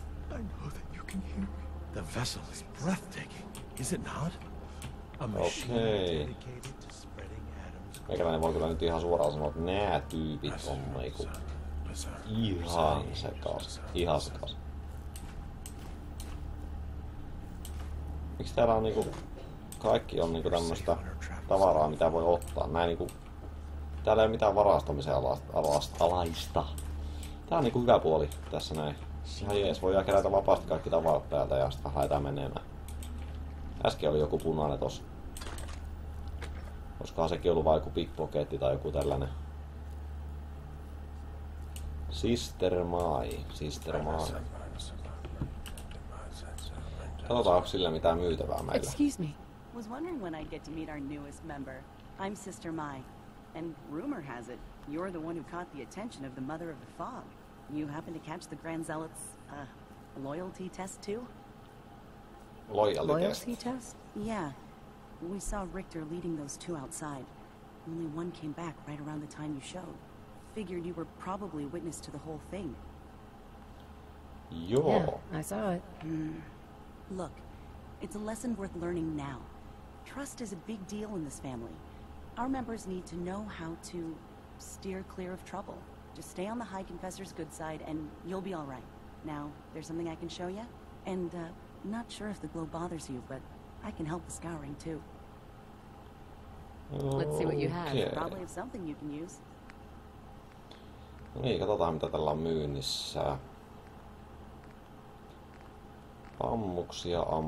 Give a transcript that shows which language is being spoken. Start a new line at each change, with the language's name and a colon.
English: I know that you can hear me. The vessel is breathtaking, is it not? A machine dedicated to spreading atoms.
Finnish: Meikäläinen voi kyllä nyt ihan suoraan sanoa, että nää tyypit on niinku ihan sekas, ihan sekas. Miksi täällä on niinku kaikki on niinku tämmöstä tavaraa, mitä voi ottaa? Nää niinku, täällä ei ole mitään varastamisen alaista. Tää on niinku hyvä puoli tässä näin. Ihan jees, voidaan kerätä vapaasti kaikki tavarat täältä ja sitten haetaan menemään. Äsken oli joku punainen tossa. Olisikohan sekin ollut vaan joku pickpocketti tai joku tällainen.
English: Sister Mai, Sister Mai.
Finnish: Katsotaan, onko sillä mitään myytävää meillä.
English: Excuse me. Was wondering when I'd get to meet our newest member. I'm Sister Mai. And rumor has it, you're the one who caught the attention of the Mother of the Fog. You happen to catch the Grand Zealot's, loyalty test, too? Loyalty test? Yeah. We saw Richter leading those two outside. Only one came back right around the time you showed. Figured you were probably witness to the whole thing. Yo. Yeah, I saw it. Mm. Look, it's a lesson worth learning now. Trust is a big deal in this family. Our members need to know how to steer clear of trouble. Just stay on the High Confessor's good side, and you'll be all right. Now, there's something I can show you, and not sure if the glow bothers you, but I can help with scouring too. Okay. Let's see what you have. Probably have something you can use.
Finnish: No niin, katsotaan mitä tällä on myynnissä. Ammuksia.